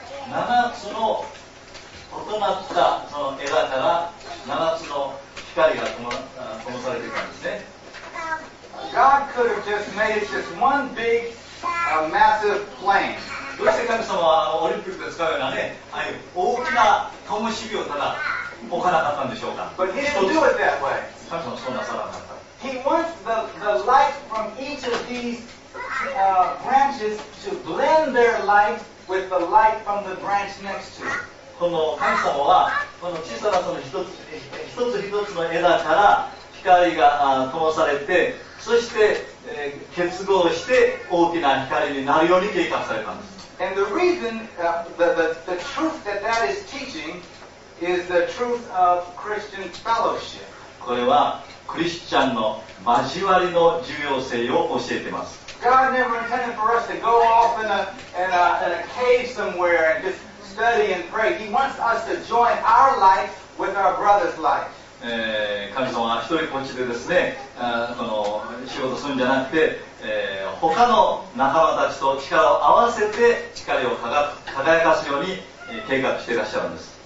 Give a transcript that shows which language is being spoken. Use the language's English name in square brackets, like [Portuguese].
[Japanese] 7つの異なったその枝から7つの光が灯されていたんですね。 [English] God could have just made it just one big, massive flame. [Japanese] どうして神様はオリンピックで使うようなね、ああいう大きな灯火をただ置かなかったんでしょうか。 [English] But he didn't do it that way. [Japanese] 神様はそんなさらなかった。 [English] He wants the light from each of these, branches to blend their light with the light from the branch next to it. [Japanese] この神様はこの小さなその一つ一つの枝から光が灯されて、そして、結合して大きな光になるように計画されたんです。 [English] And the reason, the truth that is teaching is the truth of Christian fellowship. [Japanese] これはクリスチャンの交わりの重要性を教えています。 [English] God never intended for us to go off in a cave somewhere and just study and pray. He wants us to join our life with our brother's life. [Japanese] 神様は一人こっちでですね、この仕事するんじゃなくて、他の仲間たちと力を合わせて光を輝かすように計画していらっしゃるんです。